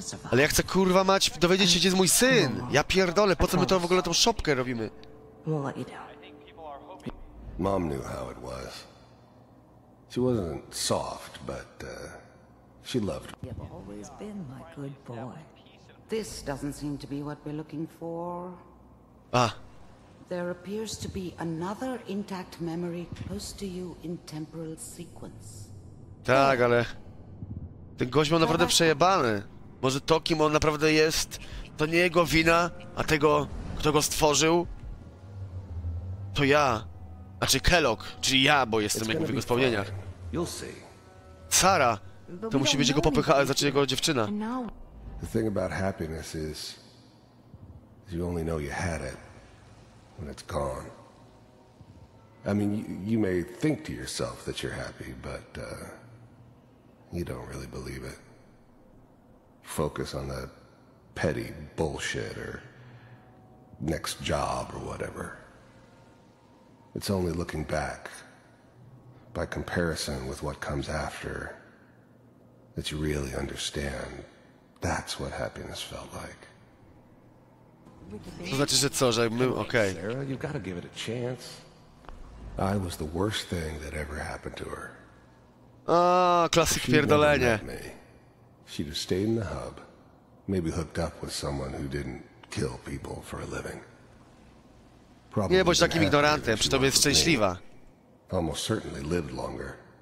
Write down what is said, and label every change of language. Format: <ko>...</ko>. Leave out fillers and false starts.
<pl>Ale ja chcę, kurwa, mać dowiedzieć się, gdzie jest mój syn. Ja pierdolę, po co my to w ogóle tą szopkę robimy?</pl> <en>Mom knew how it was. She wasn't soft, but she loved me. You've always been my good boy. This doesn't seem to be what we're looking for. Ah. There appears to be another intact memory close to you in temporal sequence.</en> <pl>Tak, ale ten gość miał naprawdę przejebany. Może to, kim on naprawdę jest, to nie jego wina, a tego, kto go stworzył, to ja. A czy Kellogg, czyli ja, bo jestem jak w jego wspomnieniach. Sara, to musi być jego popycha, znaczy jego dziewczyna.</pl> <en>The thing about happiness is you only know you had it when it's gone. I mean, you may think to yourself that you're happy, but you don't really believe it. Focus on the petty bullshit or next job or whatever. It's only looking back, by comparison with what comes after, that you really understand that's what happiness felt like.</en> <pl>To znaczy, że co, że my, okay.</pl> <en>Sarah, you've got to give it a chance. I was the worst thing that ever happened to her.</en> <pl>Ah, klasyk pierdolenie.</pl> <en>She'd have stayed in the hub, maybe hooked up with someone who didn't kill people for a living.</en> <pl>Nie bądź takim ignorantem, przy tobie jest szczęśliwa.</pl> <en>Almost certainly lived longer.</en>